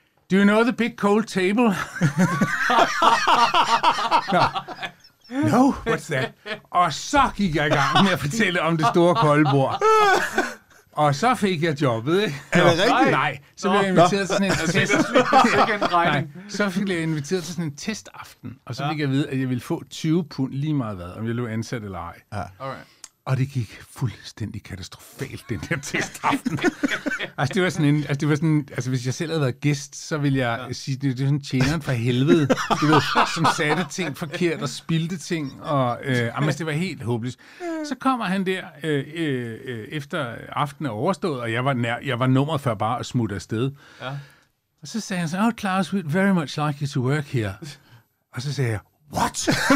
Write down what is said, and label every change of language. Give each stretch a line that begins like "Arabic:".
English: Do you know the big cold table? No, what's that?
Danish: Og så gik jeg i gang med at fortælle om det store kolde bord. Og så fik jeg jobbet, ikke? Er det rigtigt? Nej, så blev jeg inviteret til sådan en test. Nej, så fik jeg inviteret til sådan en testaften, og så fik jeg at vide, at jeg ville få 20 pund lige meget hvad, om jeg blev ansat eller ej. Ja. Og det gik fuldstændig katastrofalt, den der testaften. Altså, det var sådan en, altså, det var sådan, altså hvis jeg selv havde været gæst, så ville jeg sige, det er sådan tjeneren fra helvede, du ved, som satte ting forkert og spildte ting. Og, altså, det var helt håbløst. Så kommer han der efter aftenen er overstået, og jeg var nummeret før bare at smutte afsted. Ja. Og så sagde han så,
English: oh, Klaus, we'd very much like you to work here.
Danish: Og så sagde jeg, what?